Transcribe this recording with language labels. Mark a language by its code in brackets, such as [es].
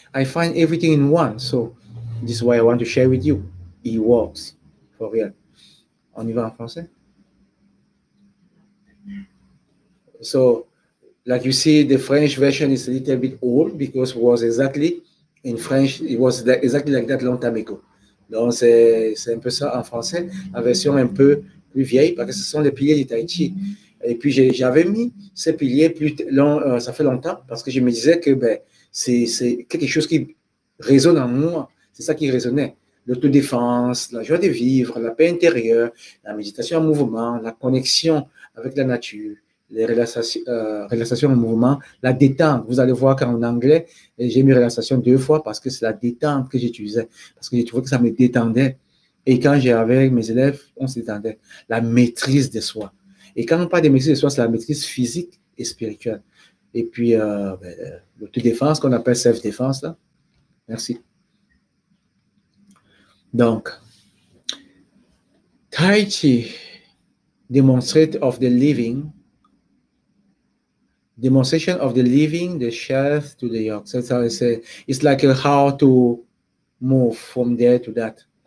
[en] I find everything in one. So this is why I want to share with you. It works for real. [fr] On y va en français? [en] So like you see, the French version is a little bit old because it was exactly in French. It was exactly like that long time ago. [fr] Donc, c'est un peu ça en français, la version un peu plus vieille, parce que ce sont les piliers du Tai Chi. Et puis, j'avais mis ces piliers plus longs, ça fait longtemps, parce que je me disais que ben, c'est quelque chose qui résonne en moi. C'est ça qui résonnait. L'autodéfense, la joie de vivre, la paix intérieure, la méditation en mouvement, la connexion avec la nature, les relaxations en mouvement, la détente. Vous allez voir qu'en anglais, j'ai mis relaxation deux fois parce que c'est la détente que j'utilisais, parce que j'ai trouvé que ça me détendait. Et quand j'ai avec mes élèves, on se détendait. La maîtrise de soi. Et quand on parle de maîtrise de soi, c'est la maîtrise physique et spirituelle. Et puis, l'autodéfense qu'on appelle self-défense, là. Merci. [en] Donc, Tai Chi, demonstrate of the living, demonstration of the living, the shelf to the yoke. That's how I say. It's like how to move from there to that.